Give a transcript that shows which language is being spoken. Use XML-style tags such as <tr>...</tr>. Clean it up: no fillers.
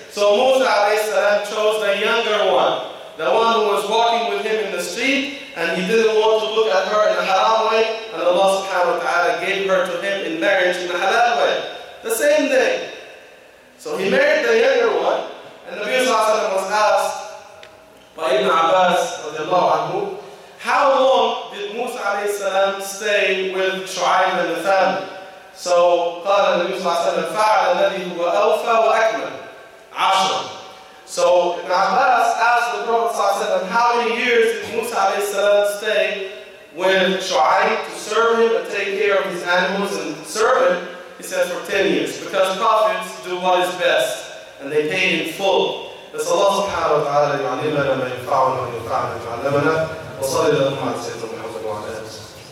<en>So Musa alayhi salam chose the younger one, the one who was walking with him in the street, and he didn't want to look at her in a halal way, and Allah subhanahu wa ta'ala gave her to him in marriage in a halal way. The same day. So he married the younger one, and the Nabi sallallahu alayhi wa sallam was asked by Ibn Abbas radiallahu anhu, how long did Musa alayhi السلام, staying with Shu'aib and the family.</en> <ar>So قال النبي صلى الله عليه وسلم فعل الذي هو أوفى وأكمل عشر.</ar> <en>So Ibn Abbas asked the Prophet صلى الله عليه وسلم, how many years did Musa عليه السلام stay with Shu'aib to serve him and take care of his animals and serve him? He said for 10 years, because prophets do what is best and they pay in full.</en> <ar>بس الله سبحانه وتعالى يعلمنا ما ينفعنا وما ينفعنا يعلمنا وصلى اللهم على سيدنا محمد وعلى آله وسلم.</ar>